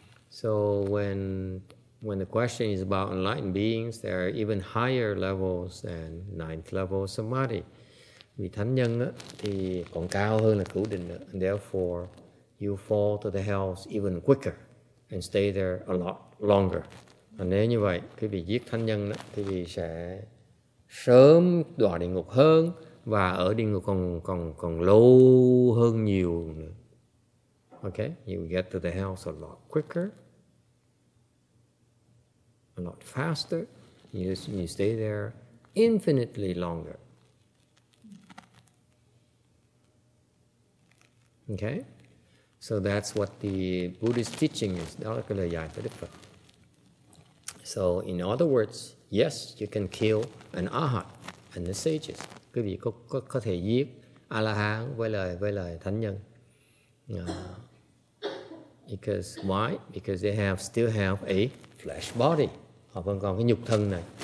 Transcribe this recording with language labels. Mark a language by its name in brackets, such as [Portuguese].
[English] So when the question is about enlightened beings, there are even higher levels than ninth level samadhi. [Vietnamese] Vì thánh nhân á thì còn cao hơn là cửu định nữa. [English] Therefore, you fall to the hells even quicker and stay there a lot longer. [Vietnamese] Và nếu như vậy, quý vị giết thánh nhân đó, thì vị sẽ sớm đọa địa ngục hơn và ở địa ngục còn lâu hơn nhiều nữa. [English] Okay, you get to the hells a lot quicker, a lot faster. You stay there infinitely longer. Okay, so that's what the Buddhist teaching is. [Vietnamese] Đó là cái lời dạy của Đức Phật. [English] So in other words, yes, you can kill an arhat and the sages. [Vietnamese] Quý vị có thể giết A-la-hán với lời thánh nhân. [English] Because why? Because they still have a flesh body. [Vietnamese] Họ vẫn còn cái nhục thân này.